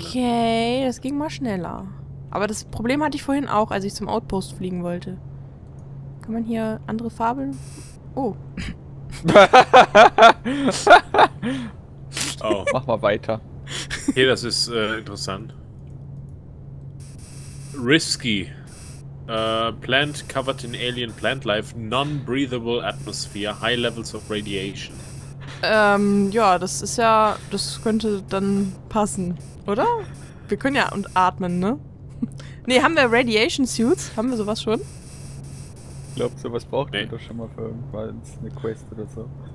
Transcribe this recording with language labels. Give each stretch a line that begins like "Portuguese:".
German: Okay, das ging mal schneller. Aber das Problem hatte ich vorhin auch, als ich zum Outpost fliegen wollte. Kann man hier andere Farben... Oh. Oh. Mach mal weiter. Hier, das ist interessant.
English: Risky. Plant covered in alien plant life, non-breathable atmosphere, high levels of radiation.
German: Das könnte dann passen, oder? Wir können ja und atmen, ne? Ne, haben wir Radiation Suits? Haben wir sowas schon? Ich glaube, sowas braucht man doch schon mal für irgendwann eine Quest oder so.